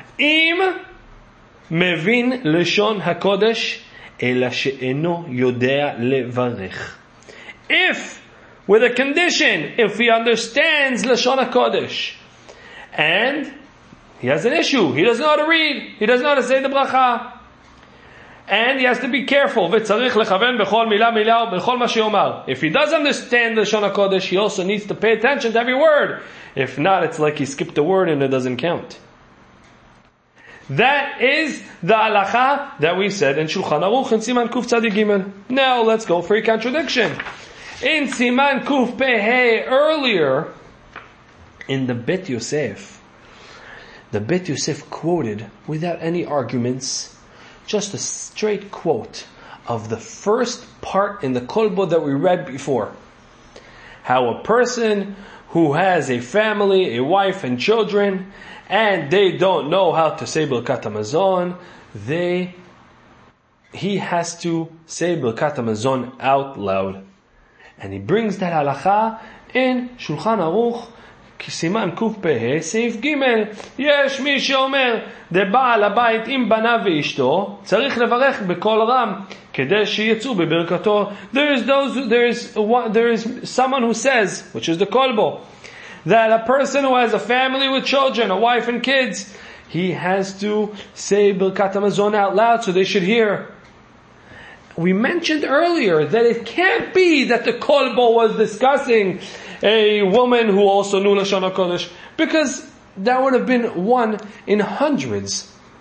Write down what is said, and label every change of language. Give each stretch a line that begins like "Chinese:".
Hebrew: Im mevin leshon hakodesh, ela she'eno yodea levarech.
English: If, with a condition, if he understands leshon hakodesh, and he has an issue, he doesn't know how to read, he doesn't know how to say the bracha, and he has to be careful.
Hebrew: וצריך לכוון בכל מילה מילה ובכל מה שיאמר.
English: If he does understand לשון הקודש, he also needs to pay attention to every word. If not, it's like he skipped a word and it doesn't count. That is the halacha that we said in Shulchan Aruch in Siman Kuf Tzadi Gimel. Now let's go for a contradiction. In Siman Kuf Pehe earlier, in the Bet Yosef, the Bet Yosef quoted without any arguments, just a straight quote of the first part in the Kolbo that we read before. How a person who has a family, a wife and children, and they don't know how to say Birkat HaMazon, he has to say Birkat HaMazon out loud. And he brings that halacha in Shulchan Aruch,
Hebrew: כסימן קוף פה, סעיף גימל, יש מי שאומר, דבעל הבית עם בנה ואשתו, צריך לברך בכל רם, כדי שיצאו בברכתו.
English: There is someone who says, which is the Kolbo, that a person who has a family with children, a wife and kids, he has to say Birkat HaMazon out loud so they should hear. We mentioned earlier that it can't be that the Kolbo was discussing a woman who also knew Lashon HaKodesh, because that would have been one in hundreds.